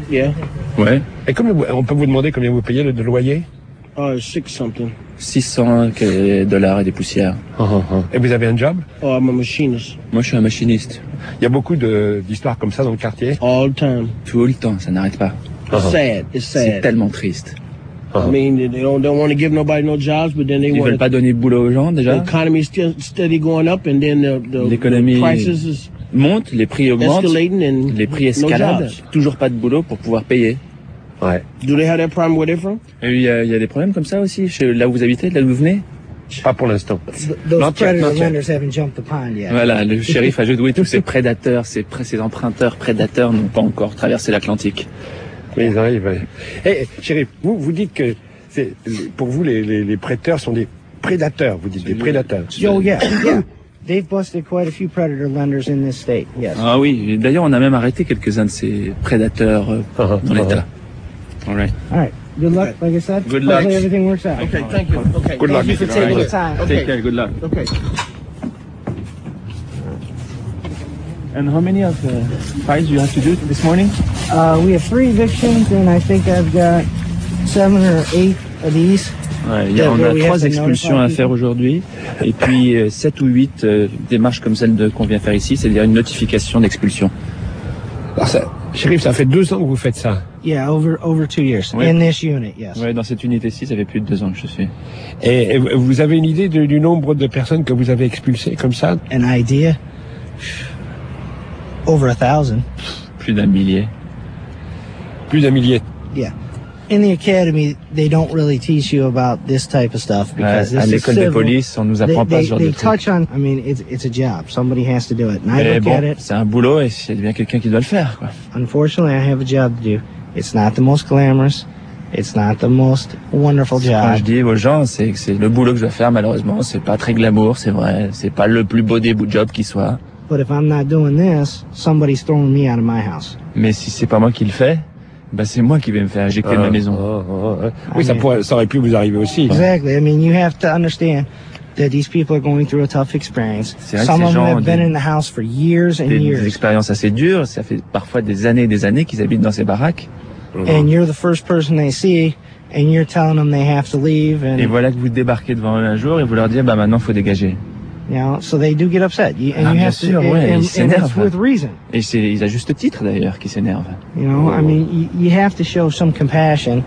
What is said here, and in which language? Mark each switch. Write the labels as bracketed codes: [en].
[en] Yeah. [fr] Ouais. Et on peut vous demander combien vous payez de loyer? [en] Six something. [fr] 600 dollars et des poussières. Et vous avez un job? [en] I'm a machinist. [fr] Moi, je suis un machiniste. Il y a beaucoup d'histoires comme ça dans le quartier? [en] All the time. [fr] Tout le temps, ça n'arrête pas. [en] It's sad. [fr] C'est tellement triste. [en] I mean, they don't want to give nobody no jobs, but then they [fr] ils [en] want. [fr] Ils veulent pas donner de boulot aux gens déjà. [en] The economy is steady going up, and then the prices is. [fr] Monte, les prix augmentent, les prix escaladent, [en] no [fr] toujours pas de boulot pour pouvoir payer. Ouais. [en] Do they have that problem where they're from? [fr] Il y a des problèmes comme ça aussi, là où vous habitez, là où vous venez? Pas pour l'instant. Voilà, le shérif a joué doué, tous ces prédateurs, ces emprunteurs prédateurs n'ont pas encore traversé l'Atlantique. Mais ils arrivent. Hey, shérif, vous dites que c'est, pour vous, les prêteurs sont des prédateurs, vous dites des prédateurs. [en] They've busted quite a few predator lenders in this state. Yes. [fr] Ah oui. D'ailleurs, on a même arrêté quelques-uns de ces prédateurs dans l'État. [en] All right. Good luck. Okay. Like I said. Good luck. Hopefully everything works out. Okay. Right. Thank you. Okay. Good thank You for taking right. the time. Okay. Take care. Good luck. Okay. And how many of the files you have to do this morning? We have 3 evictions, and I think I've got 7 or 8 of these. [fr] Ouais, on a 3 expulsions à faire aujourd'hui, et puis 7 ou 8 démarches comme celle qu'on vient faire ici, c'est-à-dire une notification d'expulsion. Alors ça, shérif, ça fait 2 ans que vous faites ça. [en] Yeah, over 2 years. [fr] Ouais. [en] In this unit, yes. [fr] Ouais, dans cette unité-ci, ça fait plus de 2 ans que je suis. Et vous avez une idée du nombre de personnes que vous avez expulsées comme ça? [en] An idea? Over 1,000. [fr] Plus d'un millier. Plus d'un millier. [en] Yeah. In the academy, they don't really teach you about this type of stuff because this is civil. [fr] À l'école de police, on nous apprend pas ce genre de trucs. [en] They touch on. I mean, it's a job. Somebody has to do it. And I look at it. [fr] C'est un boulot et c'est bien quelqu'un qui doit le faire, quoi. [en] Unfortunately, I have a job to do. It's not the most glamorous. It's not the most wonderful job. [fr] Ce que je dis aux gens, c'est que c'est le boulot que je dois faire. Malheureusement, c'est pas très glamour. C'est vrai. C'est pas le plus beau des jobs qui soit. [en] But if I'm not doing this, somebody's throwing me out of my house. [fr] Mais si c'est pas moi qui le fais. Ben c'est moi qui vais me faire éjecter de ma maison. Oui, ça aurait pu vous arriver aussi. [en] Exactly. I mean, you have to understand that these people are going through a tough experience. Some of them have been in the house for years and years. [fr] Des expériences assez dures. Ça fait parfois des années et des années qu'ils habitent dans ces baraques. [en] And you're the first person they see, and you're telling them they have to leave. [fr] Et voilà que vous débarquez devant eux un jour et vous leur dites, bah maintenant faut dégager. [en] You know, so they do get upset. And that's with reason. [fr] Et c'est à juste titre d'ailleurs qu'ils s'énervent. [en] You know, I mean, you have to show some compassion.